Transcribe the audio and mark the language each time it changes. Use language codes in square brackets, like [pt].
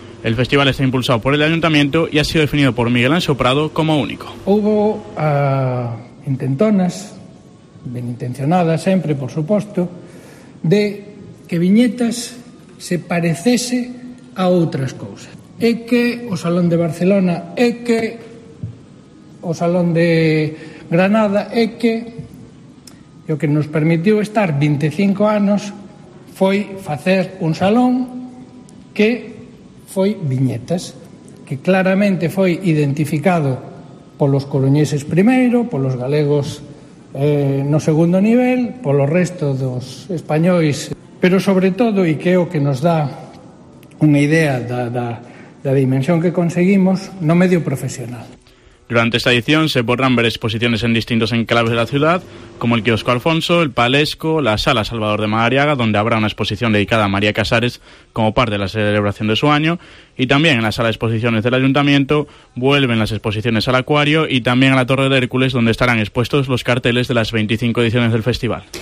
[es] El festival está impulsado por el Ayuntamiento y ha sido definido por Miguel Anxo Prado como único. Hubo intentonas, bien intencionadas siempre, por supuesto, de que Viñetas se pareciese a otras cosas. [gl] E que o Salón de Barcelona, e que o Salón de Granada, é que o que nos permitiu estar 25 anos foi facer un salón que foi Viñetas, que claramente foi identificado polos coruñeses primeiro, polos galegos no segundo nivel, polo resto dos españois, pero sobre todo, e que é o que nos dá unha idea da dimensión que conseguimos no medio profesional. [es] Durante esta edición se podrán ver exposiciones en distintos enclaves de la ciudad, como el Kiosco Alfonso, el Palesco, la Sala Salvador de Madariaga, donde habrá una exposición dedicada a María Casares como parte de la celebración de su año, y también en la Sala de Exposiciones del Ayuntamiento vuelven las exposiciones al Acuario y también a la Torre de Hércules, donde estarán expuestos los carteles de las 25 ediciones del festival.